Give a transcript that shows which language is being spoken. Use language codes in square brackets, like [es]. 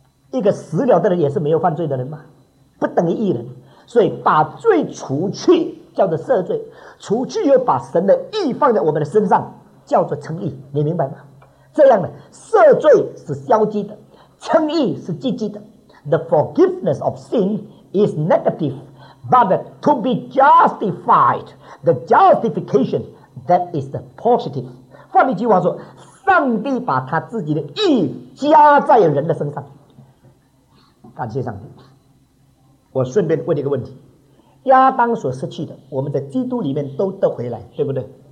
[zh] 一个死了的人也是没有犯罪的人吗？不等于义人。所以把罪除去叫做赦罪，除去又把神的义放在我们的身上叫做称义，你明白吗？这样呢，赦罪是消极的，称义是积极的。 [en] The forgiveness of sin is negative, but to be justified, the justification, that is the positive. [zh] 换一句话说，上帝把他自己的义加在人的身上。感谢上帝。我顺便问一个问题，亚当所失去的，我们在基督里面都得回来，对不对？